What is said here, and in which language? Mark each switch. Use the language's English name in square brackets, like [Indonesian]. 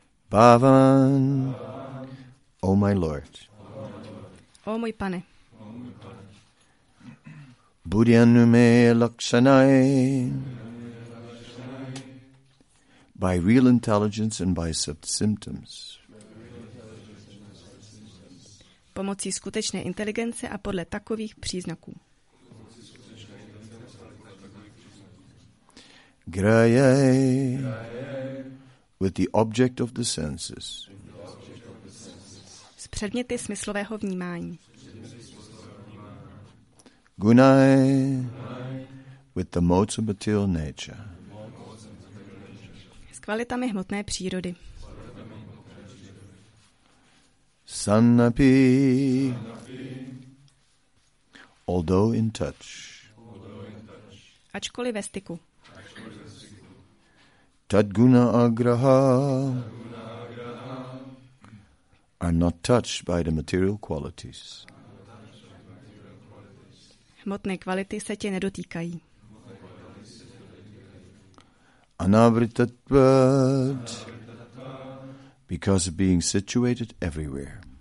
[English] Bhavan. O my Lord. [Czech] O můj pane. [Sanskrit] Budyanume lakshanai. [English] By real intelligence and by symptoms. [Czech] Pomocí skutečné inteligence a podle takových příznaků. [English] Graye, with the object of the senses. [Czech] S předměty smyslového vnímání. [English] Gunai, with the modes of material nature. [Czech] Kvalitami hmotné přírody. [Sanskrit] Sanapi, [English] although in touch. [Czech] Ačkoliv ve styku. [Sanskrit] Tadguna agraha [English] are not touched by the material qualities. [Czech] Hmotné kvality se tě nedotýkají. [English] Anavritatvat, because of being situated everywhere.